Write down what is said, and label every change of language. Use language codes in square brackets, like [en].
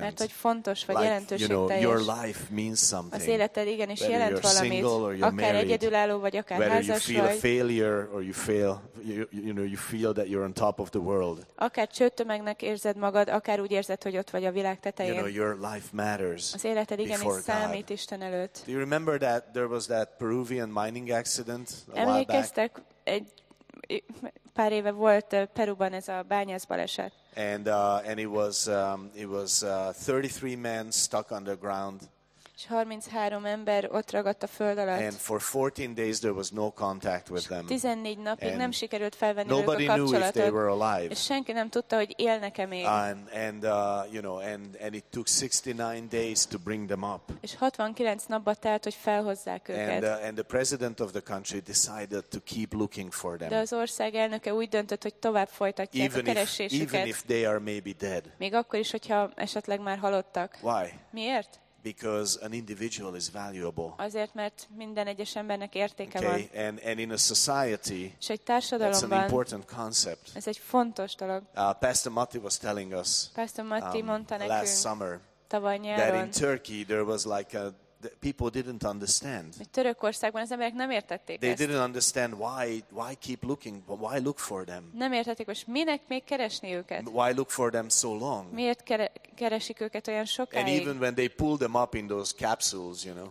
[hu] Mert hogy fontos vagy, [en] like, [hu] jelentőség, [en] you know, your life means something. [hu] Az életed igenis jelent valamit. [en] Single or you're [hu] akár [en] married, [hu] egyedülálló vagy, akár [en] whether [hu] házas [en] you feel [hu] vagy. [en] A failure or you fail, you know, you feel that you're on top of the world. [hu] Akár csőtömegnek érzed magad, akár úgy érzed, hogy ott vagy a világ tetején. [en] You know, your life matters. [hu] Az életed igenis számít Isten előtt. [en] Do you remember that there was that Peruvian mining accident a while back? [hu] Emlékeztek, egy pár éve volt Peruban ez a bányász baleset. [en] And it was 33 men stuck underground. [hu] És 33 ember ott ragadt a föld alatt. [en] And for 14 days there was no contact with them. [hu] 14 napig nem sikerült felvenni ők a kapcsolatot. [en] Nobody knew if they were alive. [hu] És senki nem tudta, hogy élnek-e még. [en] And it took 69 days to bring them up. [hu] És 69 napba telt, hogy felhozzák őket. [en] And the president of the country decided to keep looking for them. [hu] De az ország elnöke úgy döntött, hogy tovább folytatják [en] even [hu] a keresésüket. [en] Even if they are maybe dead. [hu] Még akkor is, hogyha esetleg már halottak. [en] Why? [hu] Miért? [en] Because an individual is valuable. [hu] Azért, mert minden egyes embernek értéke [en] okay. [hu] van. [en] And in a society, [hu] és egy társadalomban, [en] that's an important concept. [hu] Ez egy fontos dolog. [en] Pastor Matti was telling us [hu] mondta nekünk, [en] last summer that in Turkey there was like a people didn't understand. [hu] Törökországban az emberek nem értették. [en] They didn't understand why keep looking, why look for them. [hu] Nem értették, hogy minek még keresni őket. [en] Why look for them so long? [hu] Miért keresik őket olyan sokáig? [en] And even when they pulled them up in those capsules, you know.